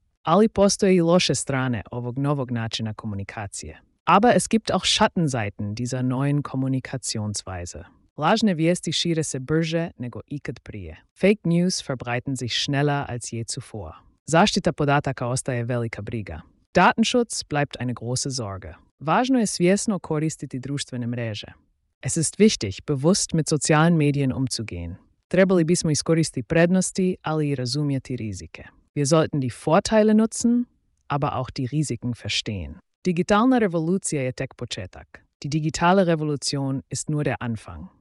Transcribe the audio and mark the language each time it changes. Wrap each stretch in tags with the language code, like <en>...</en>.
<hr>Ali postoje i loše strane ovog novog načina komunikacije.</hr> <de>Aber es gibt auch Schattenseiten dieser neuen Kommunikationsweise.</de> <hr>Lažne vijesti šire se brže nego ikad prije.</hr> <de>Fake news verbreiten sich schneller als je zuvor.</de> <hr>Zaštita podataka ostaje velika briga.</hr> <de>Datenschutz bleibt eine große Sorge.</de> <hr>Važno je svjesno koristiti društvene mreže.</hr> <de>Es ist wichtig, bewusst mit sozialen Medien umzugehen.</de> <hr>Trebali bismo iskoristiti prednosti, ali i razumjeti rizike.</hr> <de>Wir sollten die Vorteile nutzen, aber auch die Risiken verstehen.</de> <hr>Digitalna revolucija je tek početak.</hr> <de>Die digitale Revolution ist nur der Anfang.</de>